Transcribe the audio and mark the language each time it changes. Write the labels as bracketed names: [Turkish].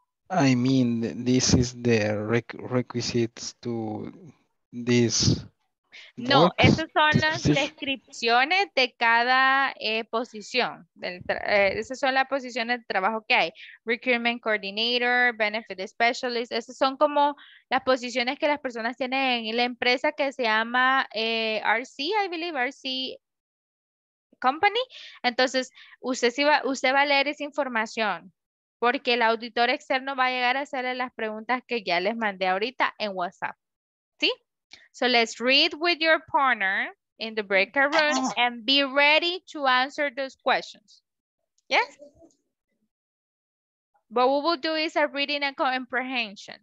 [English] I mean, this is the requisites to this. [Spanish] No, esas son las descripciones de cada posición. Esas son las posiciones de trabajo que hay. Recruitment coordinator, benefit specialist. Esas son como las posiciones que las personas tienen en la empresa que se llama RC, [English] I believe, [Spanish] RC Company. Entonces, usted va a leer esa información porque el auditor externo va a llegar a hacerle las preguntas que ya les mandé ahorita en WhatsApp. [English] So let's read with your partner in the breakout room and be ready to answer those questions. Yes? What we will do is a reading and comprehension.